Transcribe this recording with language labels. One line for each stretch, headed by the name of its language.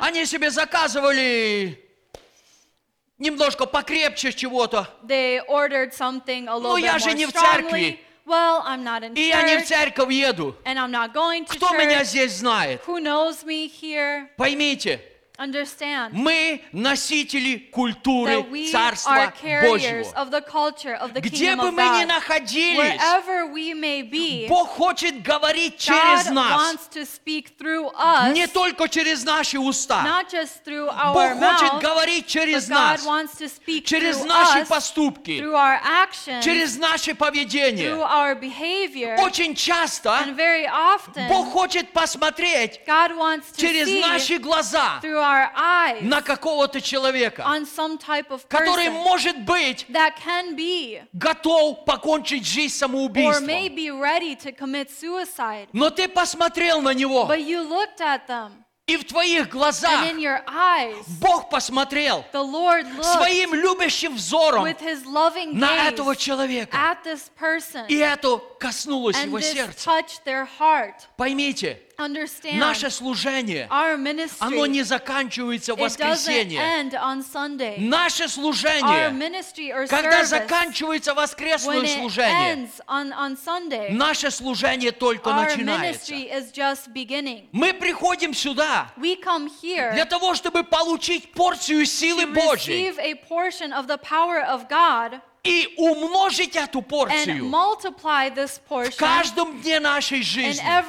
Russian: Они себе заказывали немножко покрепче чего-то.
English: They ordered something a little
Russian: ну,
English: bit
Russian: я же
English: more
Russian: не
English: strongly.
Russian: В церкви.
English: Well, I'm not in
Russian: и
English: church.
Russian: И я не в церковь еду.
English: And I'm not going to
Russian: кто
English: church.
Russian: Меня здесь знает?
English: Who knows me here?
Russian: Поймите,
English: understand,
Russian: мы носители культуры
English: that we
Russian: Царства
English: are carriers
Russian: Божьего.
English: Of the culture of the
Russian: где
English: kingdom
Russian: бы
English: of
Russian: мы
English: God.
Russian: Ни находились,
English: wherever we may be,
Russian: Бог хочет говорить
English: God
Russian: через нас.
English: Wants to speak through us,
Russian: не только через наши уста.
English: Not just through our
Russian: Бог
English: mouth,
Russian: хочет говорить через
English: but
Russian: нас.
English: God wants to speak
Russian: через
English: through
Russian: наши
English: us,
Russian: поступки.
English: Through our actions,
Russian: через наше поведение.
English: Through our behavior,
Russian: очень часто
English: and very often,
Russian: Бог хочет посмотреть
English: God wants to
Russian: через
English: see
Russian: наши глаза.
English: Our eyes
Russian: на какого-то человека,
English: on some type of person,
Russian: который может быть
English: that can be,
Russian: готов покончить жизнь самоубийством,
English: or may be ready to commit suicide,
Russian: но ты посмотрел на него,
English: but you looked at them,
Russian: и в твоих глазах
English: and in your eyes,
Russian: Бог посмотрел
English: the Lord looked
Russian: своим любящим взором
English: with his loving gaze
Russian: на этого человека,
English: at this person,
Russian: и это коснулось его сердца.
English: Touched their heart.
Russian: Поймите,
English: understand,
Russian: наше служение,
English: our ministry,
Russian: оно не заканчивается в воскресенье.
English: End on Sunday.
Russian: Наше служение,
English: our ministry or service,
Russian: когда заканчивается воскресное служение,
English: ends on Sunday,
Russian: наше служение только
English: our
Russian: начинается.
English: Ministry is just beginning.
Russian: Мы приходим сюда
English: we come here
Russian: для того, чтобы получить порцию силы
English: to
Russian: Божьей.
English: Receive a portion of the power of God,
Russian: и умножить эту порцию в каждом дне нашей жизни.